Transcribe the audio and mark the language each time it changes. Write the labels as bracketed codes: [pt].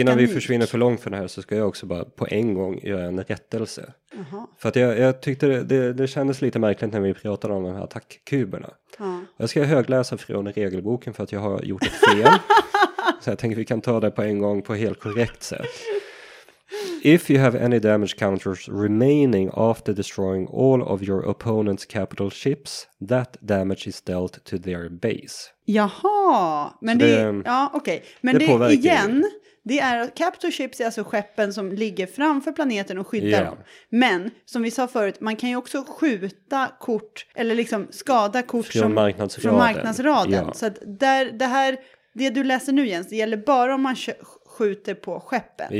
[sv] Innan vi försvinner för långt från det här, så ska jag också bara på en gång göra en rättelse. Uh-huh. För att jag tyckte det kändes lite märkligt när vi pratade om de här attackkuberna. Uh-huh. Jag ska högläsa från regelboken för att jag har gjort ett fel. Så jag tänker vi kan ta det på en gång på helt korrekt sätt. [en] If you have any damage counters remaining after destroying all of your opponent's capital ships, that damage is dealt to their base. [sv] Jaha, men så det ja, okej. Okay. Men det påverkar igen, det är capital ships, är alltså skeppen som ligger framför planeten och skyddar dem. Men som vi sa förut, man kan ju också skjuta kort eller liksom skada kort från marknadsraden. Ja. Så att det du läser nu, Jens, det gäller bara om man skjuter på skeppen.